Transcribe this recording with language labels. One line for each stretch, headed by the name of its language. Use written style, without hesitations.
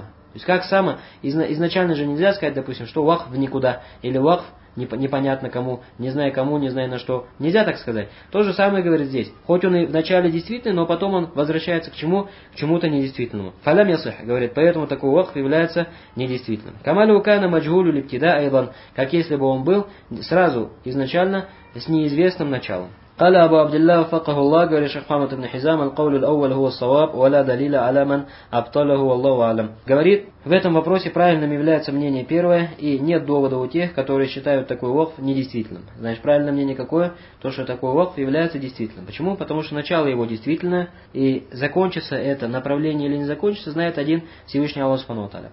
Russian: То есть как само, изначально же нельзя сказать, допустим, что уакф в никуда, или уакф непонятно кому, не зная на что. Нельзя так сказать. То же самое говорит здесь. Хоть он и вначале действительный, но потом он возвращается к чему? К чему-то недействительному.
Arabic: Фалям ясах,
Russian: говорит, поэтому такой уакф является недействительным.
Arabic: Камалю укана маджгулю либтида айлан,
Russian: как если бы он был сразу, изначально, с неизвестным началом.
Arabic: قال أبو عبد الله فقه الله قال الشيخ محمد بن حزام القول الأول هو الصواب ولا دليل على من أبطله والله أعلم.
Russian: Говорит, в этом вопросе правильным является мнение первое, и нет довода у тех, которые считают такой уакф недействительным. Значит, правильное мнение какое? То, что такой уакф является действительным. Почему? Потому что начало его действительное, и закончится это направление или не закончится, знает один Всевышний Аллах Субхану ва Тааля.